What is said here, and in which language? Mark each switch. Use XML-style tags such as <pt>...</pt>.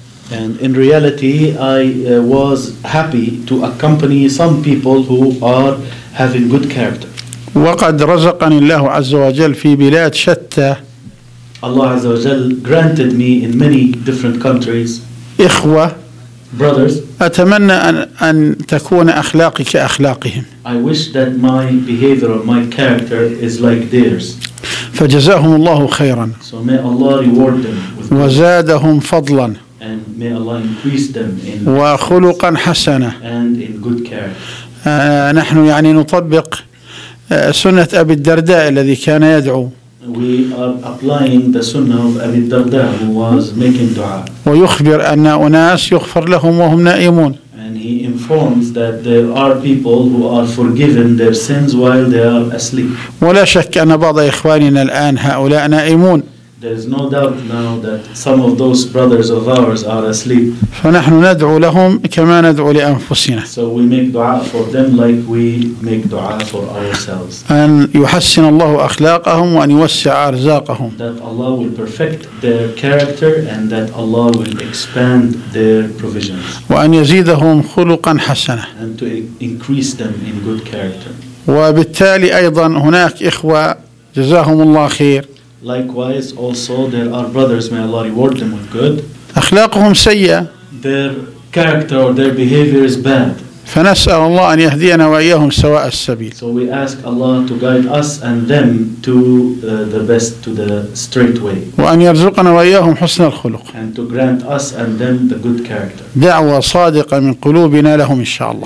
<en>And in reality, I was happy to accompany some people who are having good character.</en> <ar>وقد رزقني الله عز وجل في بلاد شتى.</ar> <en>Allah</en> <ar>عز وجل</ar> <en>granted me in many different countries.</en> <ar>إخوة.</ar> <en>Brothers.</en> <ar>أتمنى أن تكون أخلاقي كأخلاقهم.</ar> <en>I wish that my behavior, my character is like theirs.</en> <ar>فجزاهم الله خيرا.</ar> <en>So may Allah reward them.</en> <ar>وزادهم فضلا.</ar> <en>And may Allah increase them in.</en> <ar>وخلقا حسنا.</ar> <en>And in good character.</en> <ar>نحن يعني نطبق سنة أبي الدرداء الذي كان يدعو.</ar> <en>we are applying the sunnah of Abi Darda, who was making dua.</en> <ar>ويخبر أن أناس يغفر لهم وهم نائمون.</ar> <en>And he informs that there are people who are forgiven their sins while they are asleep.</en> <ar>ولا شك أن بعض إخواننا الآن هؤلاء نائمون.</ar> <en>There is no doubt now that some of those brothers of ours are asleep.</en> <ar>فنحن ندعو لهم كما ندعو لأنفسنا.</ar> <en>So we make dua for them like we make dua for ourselves.</en> <ar>أن يحسن الله أخلاقهم وأن يوسع أرزاقهم.</ar> <en>That Allah will perfect their character and that Allah will expand their provisions.</en> <ar>وأن يزيدهم خلقا حسنا.</ar> <en>And to increase them in good character.</en> <ar>وبالتالي أيضا هناك إخوة جزاهم الله خير.</ar> <en>Likewise, also there are brothers, may Allah reward them with good.</en> <ar>أخلاقهم سيئة.</ar> <en>Their character or their behavior is bad.</en> <ar>فنسأل الله أن يهدينا وإياهم سواء السبيل.</ar> <en>So we ask Allah to guide us and them to the best, to the straight way.</en> <ar>وأن يرزقنا وإياهم حسن الخلق.</ar> <en>And to grant us and them the good character.</en> <ar>دعوة صادقة من قلوبنا لهم إن شاء الله.</ar>